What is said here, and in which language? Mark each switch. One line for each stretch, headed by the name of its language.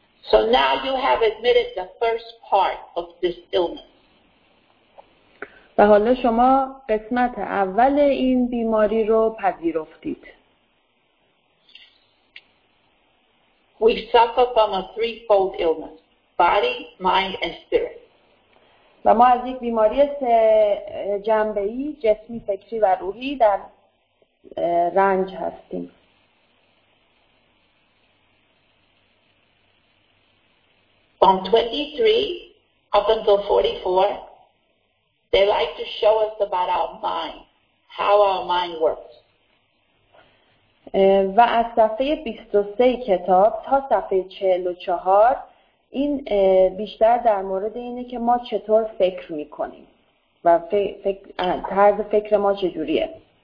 English: So now you have admitted the first part of this illness.
Persian: و حالا شما قسمت اول این بیماری رو پذیرفتید.
English: We suffer from a threefold illness. Body, mind, and spirit.
Persian: و ما از یک بیماری سه جنبه‌ای جسمی، فکری و روحی در رنج هستیم.
English: From 23 up until 44, they like to show us about our mind, how our mind works.
Persian: و از صفحه 23 کتاب تا صفحه 44 این بیشتر در مورد اینه که ما چطور فکر می‌کنیم و طرز فکر ما چجوریه.